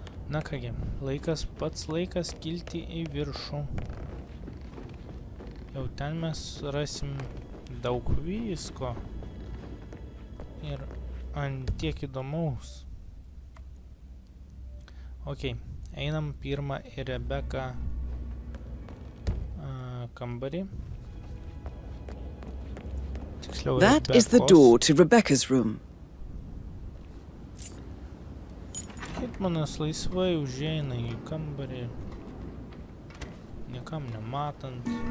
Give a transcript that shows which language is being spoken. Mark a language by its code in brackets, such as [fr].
[lt] Na kągi, laikas, pats laikas kilti į viršų, jau ten mes rasim daug visko ir ant tiek įdomaus. Ok, einam pirmą į Rebeką kambarį. Tiksliau, [en] that is the door to Rebecca's room. [lt] Hitmanas laisvai užeina į kambarį, niekam nematant.